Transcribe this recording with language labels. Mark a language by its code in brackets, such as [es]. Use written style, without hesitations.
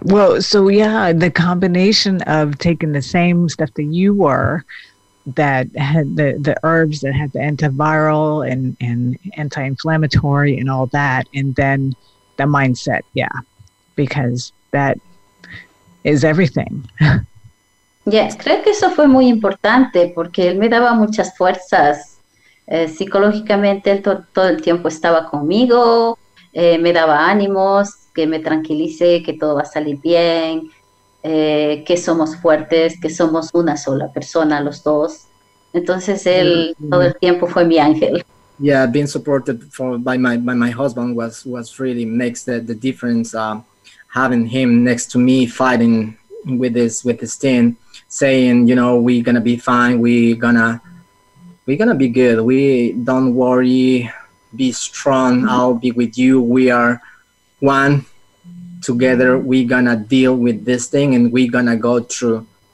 [en] Well, so yeah, the combination of taking the same stuff that you were, that had the herbs that had the antiviral and anti-inflammatory and all that, and then the mindset, yeah, because that is everything. Yes, [es] creo que eso fue muy importante porque él me daba muchas fuerzas psicológicamente. Él todo el tiempo estaba conmigo, me daba ánimos, que me tranquilice, que todo va a salir bien, que somos fuertes, que somos una sola persona, los dos. Entonces, él todo el tiempo fue mi ángel. [en] Yeah, being supported by my husband was really makes the difference. Having him next to me fighting with this thing, saying, you know, we're gonna be fine, we're gonna be good. We don't worry, be strong, I'll be with you, we are one together, we're gonna deal with this thing and we're gonna go through.